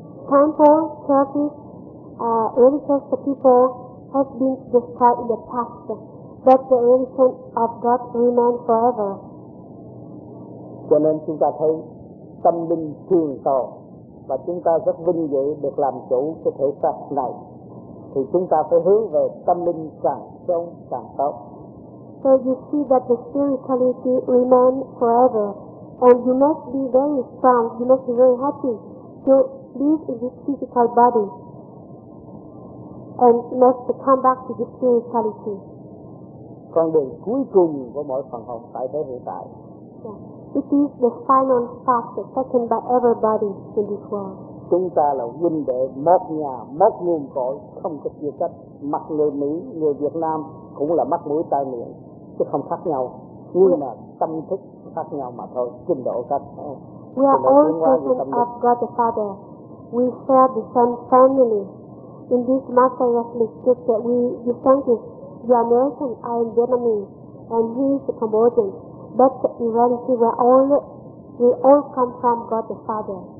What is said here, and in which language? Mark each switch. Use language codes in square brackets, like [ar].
[en] Temple, churches, religious people have been destroyed in the past, but the religion of God remains forever. [vi] Cho nên chúng ta thấy tâm linh thường tồn, và chúng ta rất vinh dự được làm chủ cái thể xác này, thì chúng ta phải hướng về tâm linh càng sâu càng tốt. [en] So you see that the spirituality remains forever, and you must be very strong, you must be very happy to live in this physical body, and must come back to this spirituality. [vi] Con đường cuối cùng của mỗi phần hồn tại thế hiện tại. [en] It is the final path taken by everybody in this world. [vi] Chúng ta là huynh đệ một nhà, một nguồn cội, không có chia cách. Mặt người Mỹ, người Việt Nam cũng là mắt mũi tai miệng, chứ không khác nhau. Nhưng mà tâm thức khác nhau mà thôi, trình độ khác nhau. [en] We are all children of God the Father. We share the same family. In this materialistic scripture, we distinguish the American, I am Vietnamese, and he is Cambodian. But in reality, we all come from God the Father.